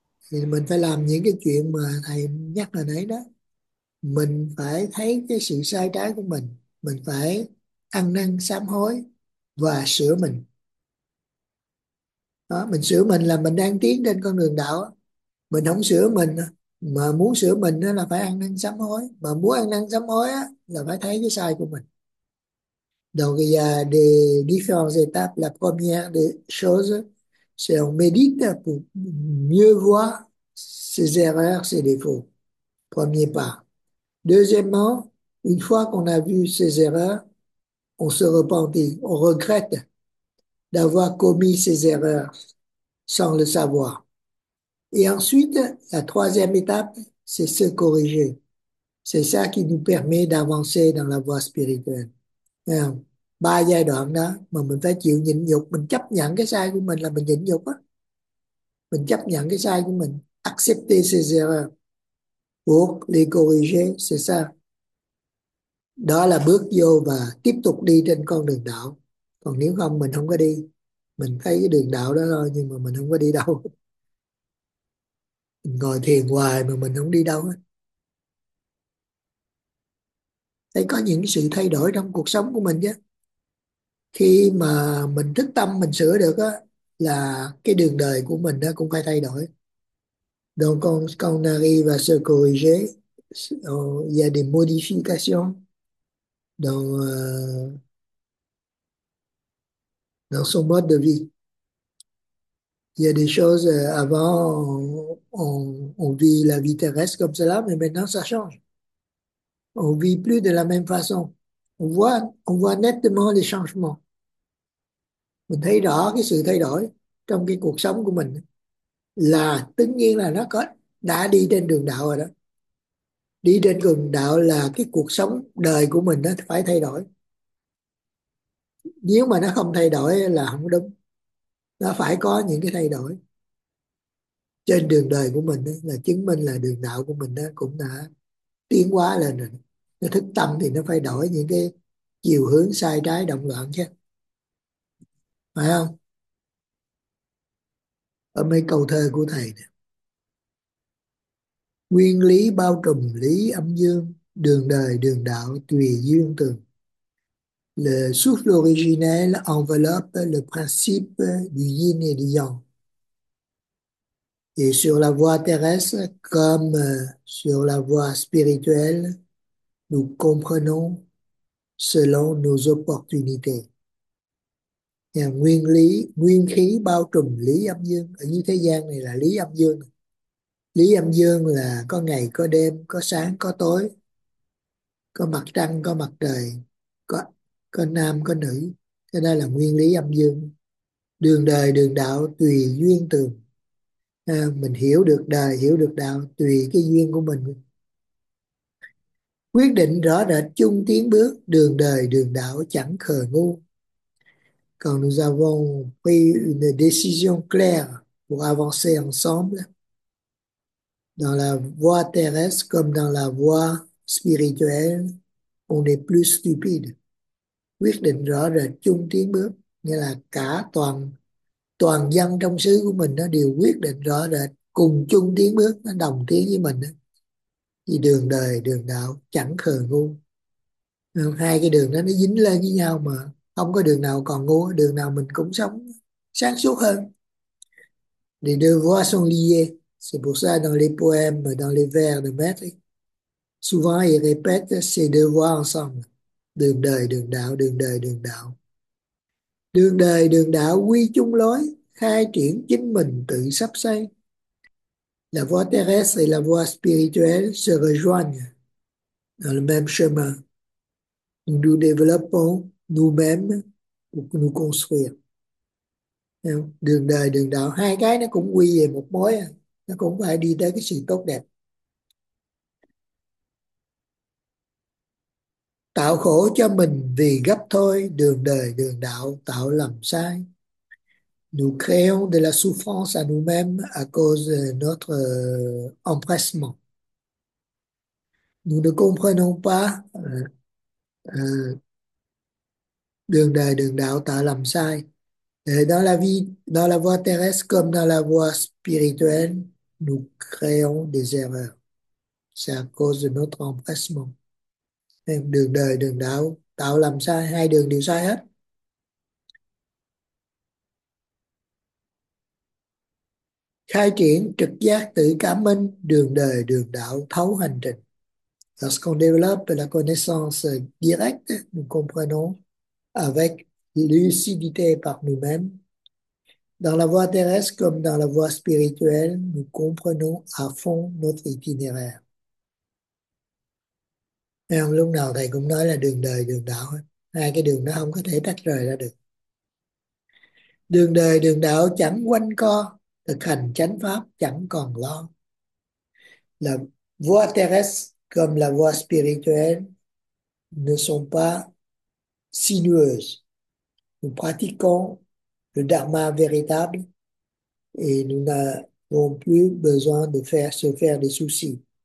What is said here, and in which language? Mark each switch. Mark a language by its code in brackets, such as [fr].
[vi] Thì mình phải làm những cái chuyện mà thầy nhắc hồi nãy đó, mình phải thấy cái sự sai trái của mình phải ăn năn sám hối và sửa mình đó, mình sửa mình là mình đang tiến trên con đường đạo, mình không sửa mình mà muốn sửa mình đó là phải ăn năn sám hối, mà muốn ăn năn sám hối đó, là phải thấy cái sai của mình. [fr] Donc il y a des différentes étapes. La première des choses, c'est on médite pour mieux voir ses erreurs, ses défauts. Premier pas. Deuxièmement, une fois qu'on a vu ses erreurs, on se repentit, on regrette d'avoir commis ses erreurs sans le savoir. Et ensuite, la troisième étape, c'est se corriger. C'est ça qui nous permet d'avancer dans la voie spirituelle. [vi] Ba giai đoạn đó mà mình phải chịu nhịn nhục, mình chấp nhận cái sai của mình là mình nhịn nhục á, mình chấp nhận cái sai của mình, [fr] accepter ses erreurs pour les corriger, c'est ça, [vi] đó là bước vô và tiếp tục đi trên con đường đạo. Còn nếu không mình không có đi, mình thấy cái đường đạo đó thôi nhưng mà mình không có đi đâu, mình ngồi thiền hoài mà mình không đi đâu hết. Đây có những sự thay đổi trong cuộc sống của mình chứ. Khi mà mình thức tâm mình sửa được á là cái đường đời của mình nó cũng phải thay đổi. [fr] Donc quand on arrive à se corriger, il y a des modifications dans son mode de vie. Il y a des choses avant on vit la vie terrestre comme cela, mais maintenant ça change. On vit plus de la même façon. On voit nettement les changements. [vi] Mình thấy rõ cái sự thay đổi trong cái cuộc sống của mình là tất nhiên là nó có đã đi trên đường đạo rồi đó. Đi trên đường đạo là cái cuộc sống đời của mình nó phải thay đổi. Nếu mà nó không thay đổi là không đúng. Nó phải có những cái thay đổi trên đường đời của mình đó, là chứng minh là đường đạo của mình nó cũng đã tiến hóa lên rồi. Nó thức tâm thì nó phải đổi những cái chiều hướng sai trái động loạn chứ. Phải không? Ở mấy câu thơ của thầy này. Nguyên lý bao trùm lý âm dương, đường đời đường đạo tùy duyên tường. [fr] Le souffle originel enveloppe le principe du yin et du yang. Et sur la voie terrestre comme sur la voie spirituelle, nous comprenons selon nos opportunités. [vi] Nguyên khí bao trùm lý âm dương, ở dưới thế gian này là lý âm dương. Lý âm dương là có ngày có đêm, có sáng có tối, có mặt trăng có mặt trời, có nam có nữ, cho nên là nguyên lý âm dương. Đường đời đường đạo tùy duyên tường, mình hiểu được đời hiểu được đạo tùy cái duyên của mình, quyết định rõ rệt chung tiến bước, đường đời đường đạo chẳng khờ ngu. [fr] Còn nous avons pris une décision claire pour avancer ensemble dans la voie terrestre comme dans la voie spirituelle, on est plus stupide. [vi] Quyết định rõ rệt chung tiến bước, nghĩa là cả toàn toàn dân trong xứ của mình nó đều quyết định rõ rệt cùng chung tiến bước, nó đồng tiến với mình đó. Vì đường đời đường đạo chẳng khờ ngu, hai cái đường đó nó dính lên với nhau mà không có đường nào còn ngu, đường nào mình cũng sống sáng suốt hơn. [fr] Les deux voies sont liées, c'est pour ça dans les poèmes, dans les vers de Maître, souvent ils répètent ces deux voies ensemble, [vi] đường đời đường đạo, [fr] đường đời đường đạo. [vi] Đường đời đường đạo quy chung lối, khai triển chính mình tự sắp xây. [fr] La voie terrestre et la voie spirituelle se rejoignent dans le même chemin. Nous développons nous-mêmes pour nous construire. [vi] Đường đời đường đạo hai cái nó cũng quy về một mối, nó cũng phải đi tới cái sự tốt đẹp. Tạo khổ cho mình vì gấp thôi, đường đời đường đạo tạo lầm sai. [fr] Nous créons de la souffrance à nous-mêmes à cause de notre empressement. Nous ne comprenons pas. [vi] Đường đời đường đạo tạo lầm sai. [fr] Dans la voie terrestre comme dans la voie spirituelle, nous créons des erreurs. C'est à cause de notre empressement. [vi] Đường đời đường đạo tạo lầm sai, hai đường đều sai hết. Khai triển trực giác tự cảm minh, đường đời đường đạo thấu hành trình. [fr] Lorsqu'on développe la connaissance directe, nous comprenons avec lucidité par nous-mêmes. Dans la voie terrestre comme dans la voie spirituelle, nous comprenons à fond notre itinéraire. [vi] Thấy không? Lúc nào thầy cũng nói là đường đời đường đạo, hai cái đường nó không có thể tách rời ra được. Đường đời đường đạo chẳng quanh co, thực hành chánh pháp chẳng còn lo. [fr] La voie terrestre comme la voie spirituelle ne sont pas sinueuses. Nous pratiquons le dharma véritable et nous n'avons plus besoin de se faire des soucis.